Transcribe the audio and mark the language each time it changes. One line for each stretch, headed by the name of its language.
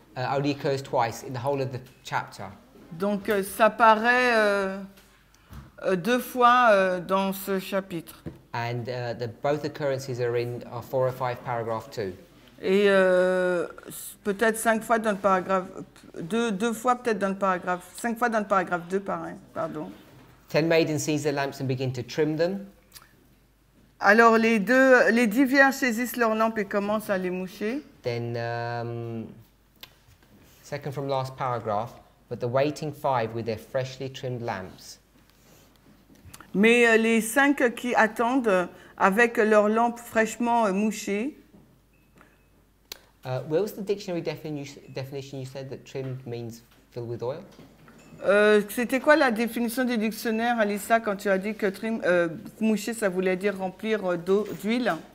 English: only occurs twice in the whole of the chapter.
French: Donc, ça paraît deux fois dans ce chapitre.
English: And both occurrences are in 405 paragraph 2.
French: Et peut-être cinq fois dans le paragraphe, deux fois peut-être dans le paragraphe, cinq fois dans le paragraphe 2, pardon.
English: Ten maidens seize their lamps and begin to trim them.
French: Alors, les 10 vierges saisissent leurs lampes et commencent à les moucher.
English: Then, second from last paragraph. But the waiting five with their freshly trimmed lamps.
French: Mais les cinq qui attendent avec leurs lampes fraîchement mouchées.
English: Where was the dictionary definition you said that trimmed means filled with oil?
French: C'était quoi la définition du dictionnaire, Alissa, quand tu as dit que mouché ça voulait dire remplir d'eau, d'huile?